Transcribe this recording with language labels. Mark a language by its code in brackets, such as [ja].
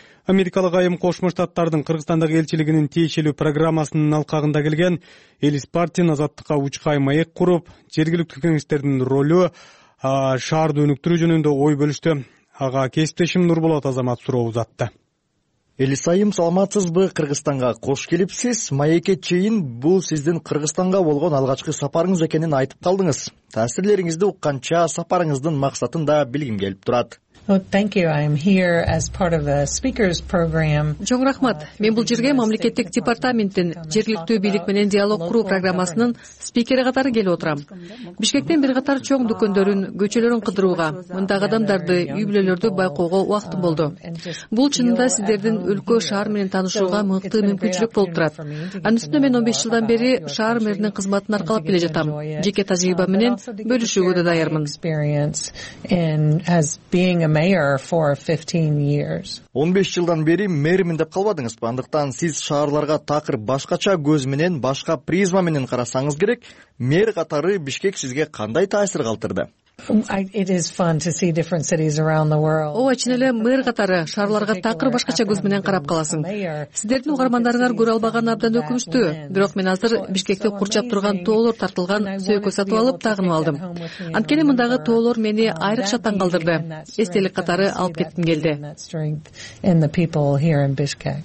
[ky] Америкалык айым Кошмо Штаттардын Кыргызстандагы элчилигинин тиешелүү программасынын алкагында келген Элис Партин азаттыкка учкай маек куруп, жергиликтүү кеңештердин ролу шаарды өнүктүрүү жөнүндө ой бөлүштү. Ага кесиптешим Нурболот Азамат суроо узатты. Элис айым, саламатсызбы? Кыргызстанга кош келипсиз. Маекке чейин бул сиздин Кыргызстанга болгон алгачкы сапарыңыз экенин айтып калдыңыз. Таасирлериңизди укканча сапарыңыздын максатын да билгим келип турат. [en] Thank you. I am here as part of the speakers program. [ky] Чоң рахмат. Мен бул жерге мамлекеттик департаменттин жергиликтүү бийлик менен диалог куруу программасынын спикери катары келип отурам. Бишкектен бир катар чоң дүкөндөрүн, көчөлөрүн кыдырууга, мындагы адамдарды, үй-бүлөлөрдү байкоого убактым болду. Бул чынында сиздердин өлкө шаар менен таанышууга мыкты мүмкүнчүлүк болуп турат. Анын үстүнө мен 15 жылдан бери шаар мэринин кызматын аркалап келе жатам. Жеке тажрыйба менен бөлүшүүгө да даярмын. [en] A mayor for 15 years. [ky] 15 жылдан бери мэрмин деп калбадыңыз, андыктан сиз шаарларга такыр башкача көз менен, башка призма менен карасаңыз керек. Мэр катары Бишкек сизге кандай таасир калтырды? [en] It is fun to see different cities around the world. [ky] Оо, чын эле мэр катары шаарларга такыр башкача көз менен карап каласың. Сиздердин угармандарыңар көрө албаган абдан өкүнүчтүү, бирок мен азыр Бишкекте курчап турган тоолор тартылган сөөкө сатып алып тагынып алдым. Анткени мындагы тоолор мени айрыкча таң калдырды. Эстелик катары алып кетким келди.